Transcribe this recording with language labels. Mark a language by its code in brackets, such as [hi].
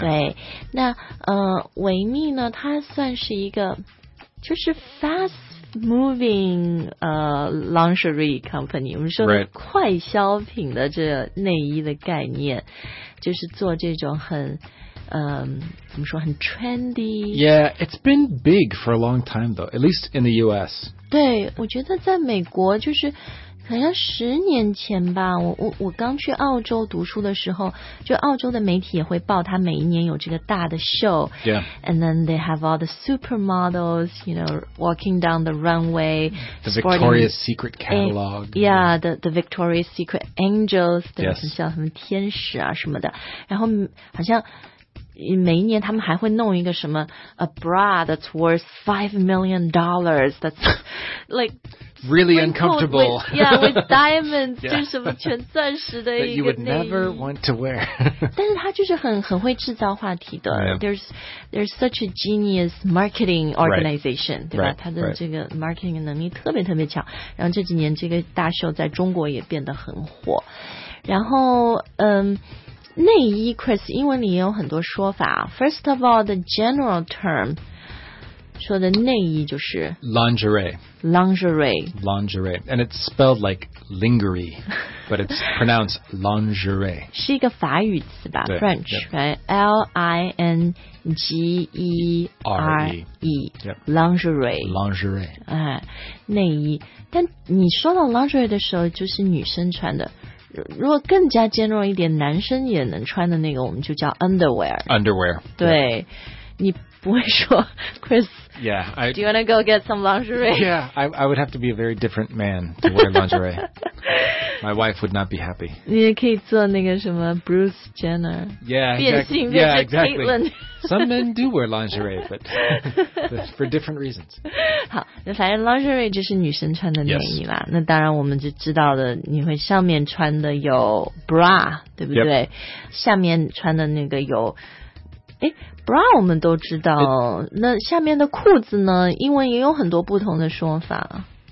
[zh] 对那维密呢它算是一个就是 [en] fast moving lingerie company [zh] 我们说的快消品的这内衣的概念、 [en] right. [zh] 就是做这种很怎么说很 trendy [en] Yeah, it's been big for a long time though at least in the US [zh] 对我觉得在美国就是好像十年前吧我刚去澳洲读书的时候就澳洲的媒体也会报他每一年有这个大的秀 [en] Yeah. And then they have all the supermodels, you know, walking down the runway. The Victoria's Secret catalog. Yeah, the Victoria's Secret angels. [zh] 对 [en] Yes. [zh] 像什么天使啊什么的。然后好像每一年他们还会弄一个什么 [en] a bra that's worth $5 million that's like really uncomfortable with diamonds [zh] 就是什么全钻石的一个 [en] that you would never want to wear [zh] 但是他就是很会制造话题的、 [en] yeah. there's such a genius marketing organization right. [zh] 对吧、 [en] right. [zh] 他的这个 marketing 能力特别特别强然后这几年这个大秀在中国也变得很火然后内衣 Chris 英文里也有很多说法 [en] First of all the general term [zh] 说的内衣就是 [en] Lingerie And it's spelled like lingerie But it's pronounced lingerie [zh] 是一个法语词吧 French、 [en] yep. right? L-I-N-G-E-R-E、 yep. [zh] Lingerie、内衣但你说到 lingerie 的时候就是女生穿的如果更加 general 一点男生也能穿的那个我们就叫 underwear 对、 [en] yeah. [zh] 你不会说 Chris [en] yeah, do you want to go get some lingerie yeah I would have to be a very different man to wear lingerie my wife would not be happy [zh] 你也可以做那个什么 Bruce Jenner [en] yeah exactly, [zh] 变性变成 Caitlyn [en] some men do wear lingerie but for different reasons [zh] 好那反正 lingerie 就是女生穿的内衣啦、 [en] yes. [zh] 那当然我们就知道的你会上面穿的有 bra 对不对、 [en] yep. [zh] 下面穿的那个有bra 我们都知道 那下面的裤子呢英文也有很多不同的说法